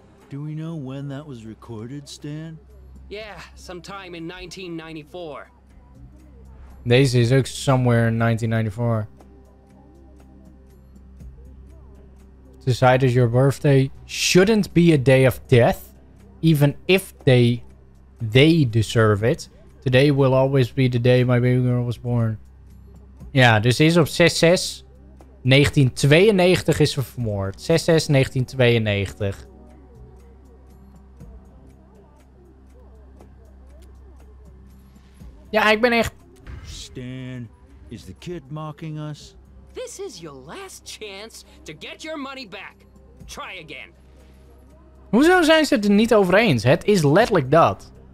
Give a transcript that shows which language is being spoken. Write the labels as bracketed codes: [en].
[en] Do we know when that was recorded, Stan? Yeah, sometime in 1994. [nl] Deze is ook [en] somewhere [nl] in 1994. [en] Decided your birthday shouldn't be a day of death, even if they deserve it. Today will always be the day my baby girl was born. [nl] Ja, dus is op 6-6. 1992 is ze vermoord. 6-6-1992. Ja, ik ben echt... [en] Stan, is the kid mocking us? This is your last chance to get your money back. Try again. [nl] Hoezo zijn ze het er niet over eens? Het is letterlijk dat.